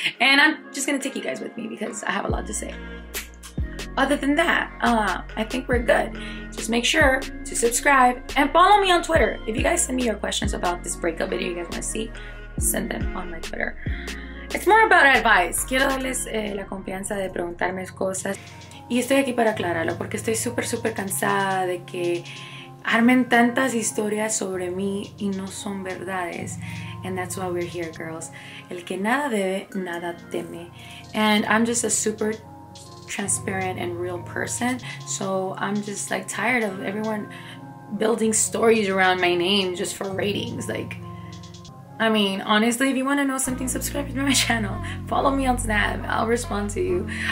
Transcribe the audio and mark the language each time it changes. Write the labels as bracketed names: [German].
[English] And I'm just going to take you guys with me because I have a lot to say. Other than that, I think we're good. Just make sure to subscribe and follow me on Twitter. If you guys send me your questions about this breakup video you guys want to see, send them on my Twitter. It's more about advice. [Spanish] Quiero darles la confianza de preguntarme cosas. Y estoy aquí para aclararlo, porque estoy súper, súper cansada de que armen tantas historias sobre mí y no son verdades. [English] And that's why we're here, girls. [Spanish] El que nada debe, nada teme. [English] And I'm just a super transparent and real person, so I'm just like tired of everyone building stories around my name just for ratings. Like, I mean, honestly, if you want to know something, subscribe to my channel, follow me on Snap, I'll respond to you.